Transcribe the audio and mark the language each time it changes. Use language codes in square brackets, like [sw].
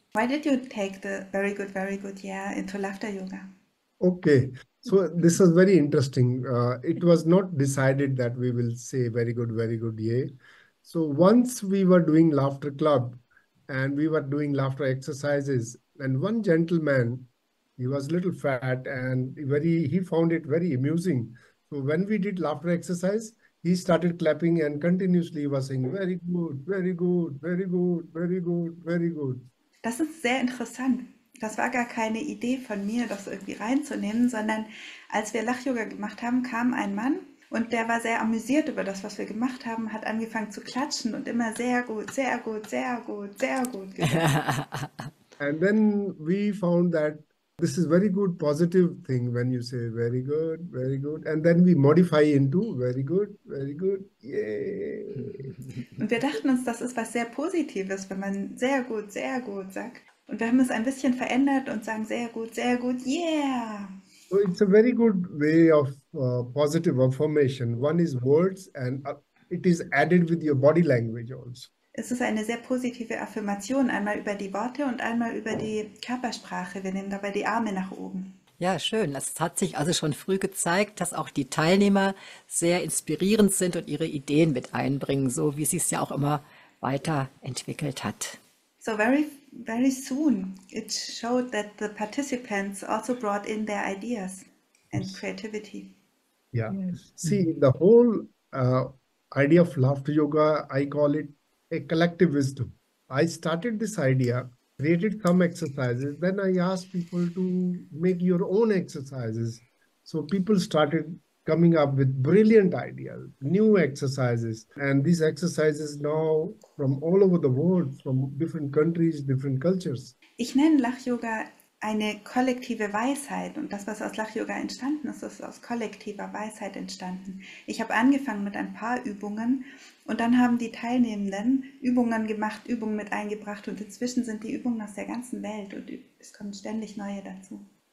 [en] Why did you take the very good, yeah into laughter yoga? Okay. So this is very interesting. It was not decided that we will say very good, yay. So once we were doing laughter club and we were doing laughter exercises, and one gentleman, he was a little fat and he found it very amusing. So when we did laughter exercise, he started clapping and continuously was saying, very good, very good, very good, very good, very good. [de] Das ist sehr interessant. Das war gar keine Idee von mir, das irgendwie reinzunehmen, sondern als wir Lach-Yoga gemacht haben, kam ein Mann und der war sehr amüsiert über das, was wir gemacht haben, hat angefangen zu klatschen und immer sehr gut, sehr gut, sehr gut, sehr gut gesagt. [en] And then we found that this is very good, positive thing when you say very good, very good. And then we modify into very good, very good. Yay. [de] Und wir dachten uns, das ist was sehr Positives, wenn man sehr gut sagt. Und wir haben es ein bisschen verändert und sagen sehr gut, yeah. [en] So it's a very good way of positive affirmation. One is words and it is added with your body language also. [de] Es ist eine sehr positive Affirmation, einmal über die Worte und einmal über die Körpersprache. Wir nehmen dabei die Arme nach oben. Ja, schön. Das hat sich also schon früh gezeigt, dass auch die Teilnehmer sehr inspirierend sind und ihre Ideen mit einbringen, so wie sie es ja auch immer weiterentwickelt hat. [en] So very, very soon it showed that the participants also brought in their ideas and creativity. Yeah. See, the whole idea of laughter yoga, I call it a collective wisdom. I started this idea, created some exercises, then I asked people to make your own exercises. So people started coming up with brilliant ideas, new exercises. And these exercises now from all over the world, from different countries, different cultures. [de] Ich nenne Lach-Yoga eine kollektive Weisheit. Und das, was aus Lach-Yoga entstanden ist, ist aus kollektiver Weisheit entstanden. Ich habe angefangen mit ein paar Übungen und dann haben die Teilnehmenden Übungen gemacht, Übungen mit eingebracht und inzwischen sind die Übungen aus der ganzen Welt und es kommen ständig neue dazu.